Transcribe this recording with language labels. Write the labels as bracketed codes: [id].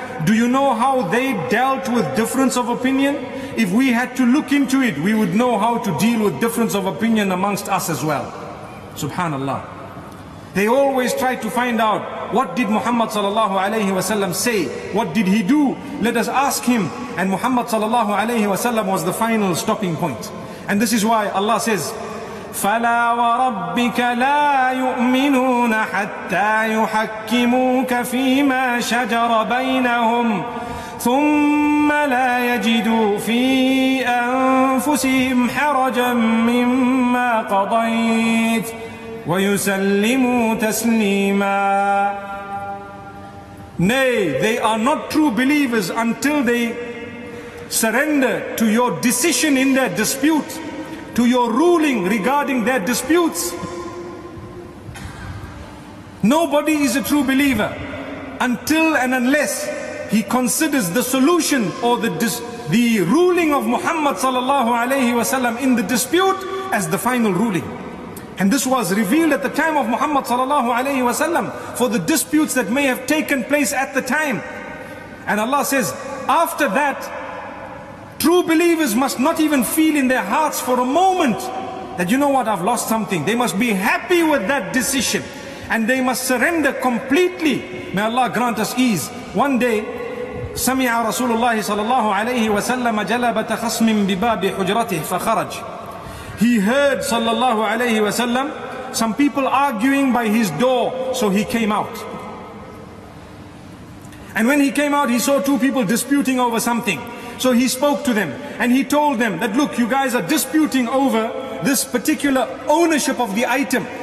[en] Do you know how they dealt with difference of opinion? If we had to look into it, we would know how to deal with difference of opinion amongst us as well. Subhanallah. They always try to find out, what did Muhammad sallallahu alayhi wa sallam say? What did he do? Let us ask him. And Muhammad sallallahu alayhi wa sallam was the final stopping point. And this is why Allah says, [ar] فَلَا وَرَبِّكَ لَا يُؤْمِنُونَ حَتَّى يُحَكِّمُوكَ فِي مَا شَجَرَ بَيْنَهُمْ ثُمَّ لَا يَجِدُوا فِي أَنفُسِهِمْ حَرَجًا مِمَّا قَضَيْتِ وَيُسَلِّمُوا تَسْلِيمًا. [en] Nay, they are not true believers until they surrender to your decision in their dispute, to your ruling regarding their disputes. Nobody is a true believer until and unless he considers the solution or the ruling of Muhammad sallallahu alayhi wa sallam in the dispute as the final ruling. And this was revealed at the time of Muhammad sallallahu alayhi wa sallam for the disputes that may have taken place at the time. And Allah says, after that, true believers must not even feel in their hearts for a moment that, you know what, I've lost something. They must be happy with that decision and they must surrender completely. May Allah grant us ease. One day, [ar] سَمِعَ رَسُولُ اللَّهِ sallallahu alayhi wa sallam جَلَبَةَ خَصْمٍ بِبَابِ حُجْرَتِهِ فَخَرَجْ. [en] He heard sallallahu alayhi wa sallam some people arguing by his door, so he came out. And when he came out, he saw two people disputing over something. So he spoke to them and he told them that, look, you guys are disputing over this particular ownership of the item.